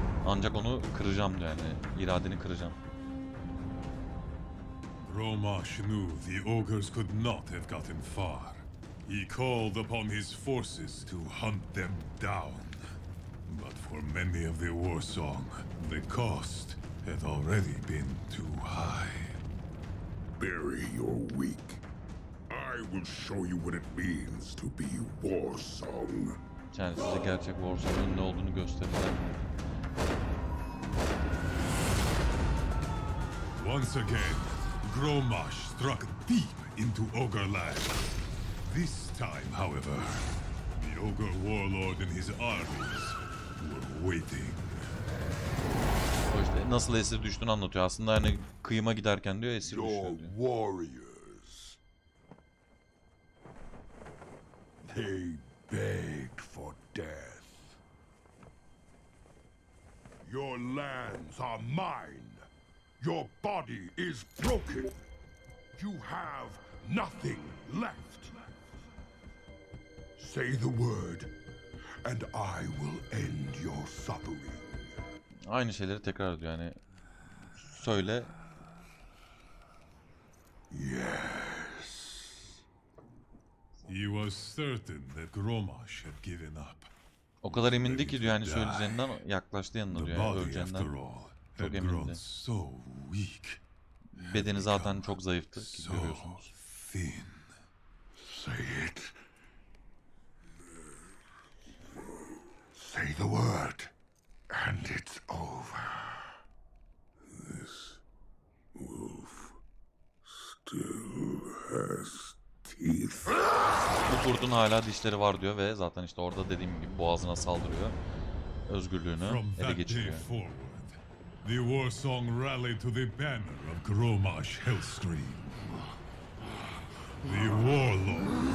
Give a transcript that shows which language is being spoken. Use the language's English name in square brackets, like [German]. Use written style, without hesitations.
[Turkish] Ancak onu kıracağım diyor, yani iradeni kıracağım. [English] Romash knew the ogres could not have gotten far. He called upon his forces to hunt them down. But for many of the Warsong, the cost had already been too high. Bury your weak. I will show you what it means to be Warsong. [Turkish] Yani size gerçek Warsong'un ne olduğunu gösterirler. [English] Once again, Grommash struck deep into Ogre land. This time, however, the Ogre Warlord and his armies waiting. [Turkish] İşte nasıl esir düştüğünü anlatıyor. Aslında hani kıyıma giderken diyor esir düştü. [English] Your warriors. They begged for death. Your lands are mine. Your body is broken. You have nothing left. Say the word. And I will end your suffering. [Turkish] Aynı şeyleri tekrar ediyor yani. Söyle. [English] Yes. He was certain that Gromash had given up. [Turkish] O kadar emindi ki diyor yani söyle üzerinden yaklaştı yanına diyor yani öleceğinden. Çok emindi. [English] So weak. [Turkish] Bedeni zaten çok zayıftı ki görüyorsunuz. [English] Thin. Say it. Say the word. And it's over. This wolf still has teeth. [Turkish] Bu kurdun hala dişleri var diyor ve zaten işte orada dediğim gibi boğazına saldırıyor. Özgürlüğünü ele geçiriyor. [English] Forward, the war song rallied to the banner of Gromash Hellscream. The warlord.